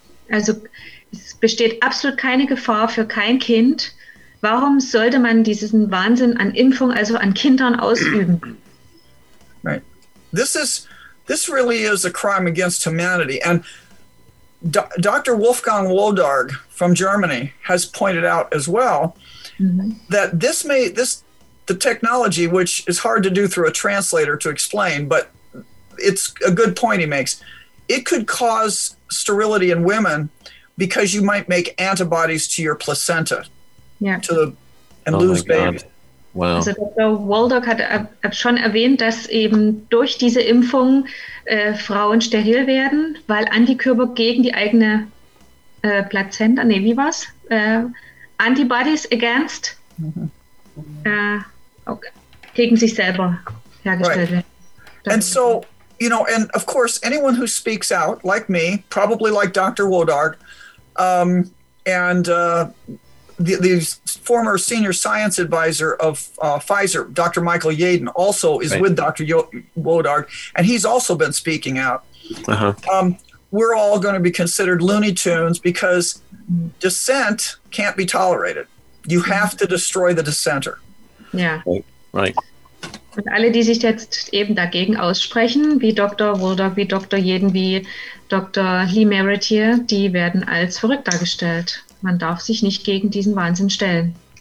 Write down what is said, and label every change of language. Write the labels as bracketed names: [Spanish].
[German] Also es besteht absolut keine Gefahr für kein Kind. Warum sollte man diesen Wahnsinn an Impfung, also an Kindern, ausüben? [English] Right. This really is a crime against humanity. And Dr. Wolfgang Woldarg from Germany has pointed out as well that the technology, which is hard to do through a translator to explain, but it's a good point he makes. It could cause sterility in women because you might make antibodies to your placenta, lose baby. God. Wow. [German] Also Dr. Woldarg hat schon erwähnt, dass eben durch diese Impfung Frauen steril werden, weil Antikörper gegen die eigene Plazenta, [English] Antibodies against, [German] gegen sich selber hergestellt werden. [English] And so, you know, and of course, anyone who speaks out, like me, probably like Dr. Woldarg, the former senior science advisor of Pfizer, Dr. Michael Yaden, also is with Dr. Woldarg, and he's also been speaking out. Uh-huh. We're all going to be considered Looney Tunes because dissent can't be tolerated. You have to destroy the dissenter. Yeah. Right. [German] Und alle, die sich jetzt eben dagegen aussprechen, wie Dr. Woldarg, wie Dr. Yaden, wie Dr. Lee Merritt hier, die werden als verrückt dargestellt. Man darf sich nicht gegen diesen Wahnsinn stellen.